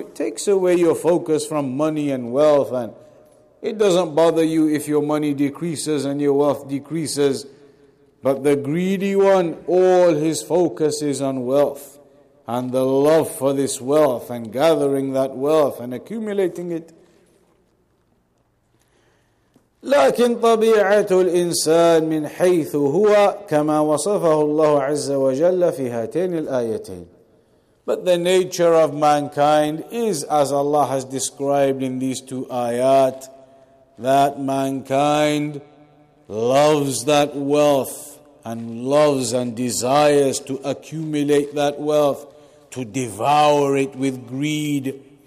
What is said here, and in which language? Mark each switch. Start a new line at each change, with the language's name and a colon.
English: It takes away your focus from money and wealth. And it doesn't bother you if your money decreases and your wealth decreases. But the greedy one, all his focus is on wealth and the love for this wealth and gathering that wealth and accumulating it.
Arabic: لكن طبيعة الإنسان من حيث هو كما وصفه الله عز وجل في هاتين الآيتين.
English: But the nature of mankind is as Allah has described in these two ayat, that mankind loves that wealth and loves and desires to accumulate that wealth, to devour it with greed.